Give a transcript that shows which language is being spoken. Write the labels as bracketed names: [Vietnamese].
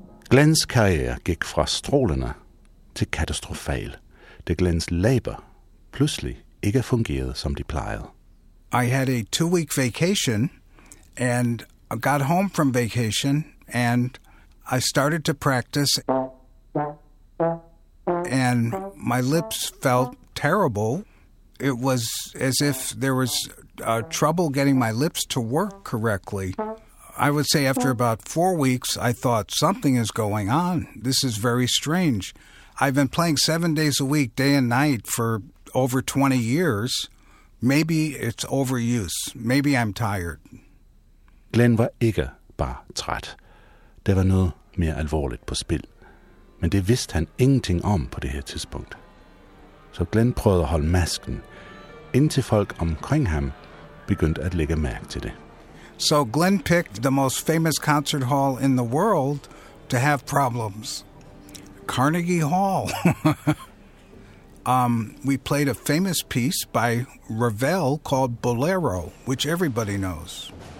[Danish] Glenns karriere gik fra strålende til katastrofal, da Glenns læber pludselig ikke fungerede, som de plejede. [English] I had a 2-week vacation, and I got home from vacation, and I started to practice, and my lips felt terrible. It was as if there was trouble getting my lips to work correctly. I would say after about 4 weeks, I thought, something is going on. This is very strange. I've been playing 7 days a week, day and night, for over 20 years. Maybe it's overuse. Maybe I'm tired. [Danish] Glenn var ikke bare træt. Der var noget mere alvorligt på spil. Men det vidste han ingenting om på det her tidspunkt. Så Glenn prøvede at holde masken, indtil folk omkring ham begyndte at lægge mærke til det. [English] So Glenn picked the most famous concert hall in the world to have problems. Carnegie Hall. We played a famous piece by Ravel called Bolero, which everybody knows.